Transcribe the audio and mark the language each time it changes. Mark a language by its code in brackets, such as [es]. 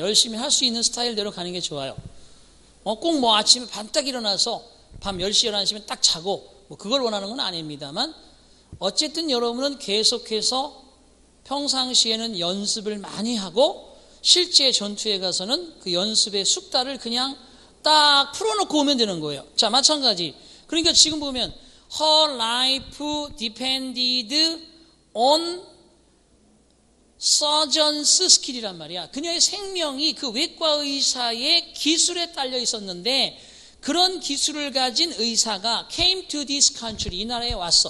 [ko] 열심히 할 수 있는 스타일대로 가는 게 좋아요. 꼭 뭐 아침에 반짝 일어나서 밤 10시, 11시면 딱 자고 뭐 그걸 원하는 건 아닙니다만 어쨌든 여러분은 계속해서 평상시에는 연습을 많이 하고 실제 전투에 가서는 그 연습의 숙달을 그냥 딱 풀어놓고 오면 되는 거예요. 자, 마찬가지. 그러니까 지금 보면 [en] her life depended on surgeon's skill이란 말이야. [ko] 그녀의 생명이 그 외과의사의 기술에 딸려 있었는데 그런 기술을 가진 의사가 [en] came to this country, [ko] 이 나라에 왔어.